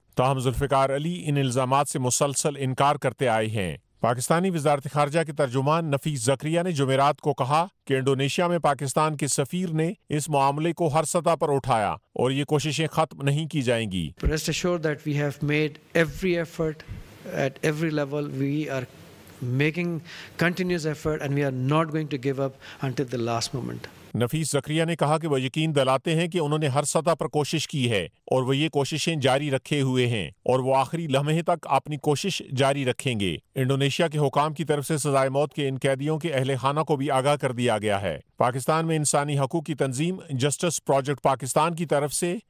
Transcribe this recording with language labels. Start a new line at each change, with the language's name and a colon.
Urdu: تاہم ذوالفقار علی ان الزامات سے مسلسل انکار کرتے آئے ہیں۔ پاکستانی وزارت خارجہ کے ترجمان نفیس زکریا نے جمعرات کو کہا کہ انڈونیشیا میں پاکستان کے سفیر نے اس معاملے کو ہر سطح پر اٹھایا اور یہ کوششیں ختم نہیں کی جائیں گی۔
English: Rest assured that we have made every effort at every level. We are making continuous effort and we are not going to give up until the last moment.
Urdu: نفیس زکریا نے کہا کہ وہ یقین دلاتے ہیں کہ انہوں نے ہر سطح پر کوشش کی ہے اور وہ یہ کوششیں جاری رکھے ہوئے ہیں اور وہ آخری لمحے تک اپنی کوشش جاری رکھیں گے۔ انڈونیشیا کے حکام کی طرف سے سزائے موت کے ان قیدیوں کے اہل خانہ کو بھی آگاہ کر دیا گیا ہے۔ پاکستان میں انسانی حقوق کی تنظیم جسٹس پروجیکٹ پاکستان کی طرف سے